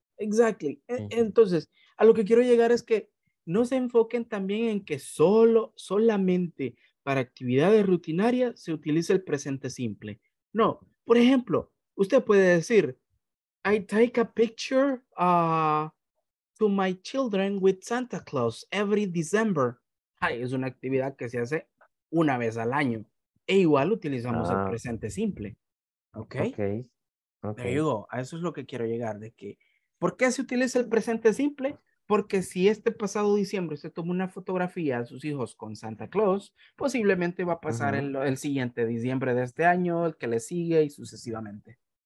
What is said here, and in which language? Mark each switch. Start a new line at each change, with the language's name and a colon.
English: Exactly. Uh-huh.
Spanish: Entonces, a lo que quiero llegar es que no se enfoquen también en que solamente para actividades rutinarias se utiliza el presente simple. No. Por ejemplo, usted puede decir,
English: I take a picture to my children with Santa Claus every December.
Spanish: Ay, es una actividad que se hace una vez al año. E igual utilizamos el presente simple. Okay?
English: Okay. There you go.
Spanish: A eso es lo que quiero llegar. De que, ¿por qué se utiliza el presente simple? Porque si este pasado diciembre usted tomó una fotografía de sus hijos con Santa Claus, posiblemente va a pasar el siguiente diciembre de este año, el que le sigue y sucesivamente.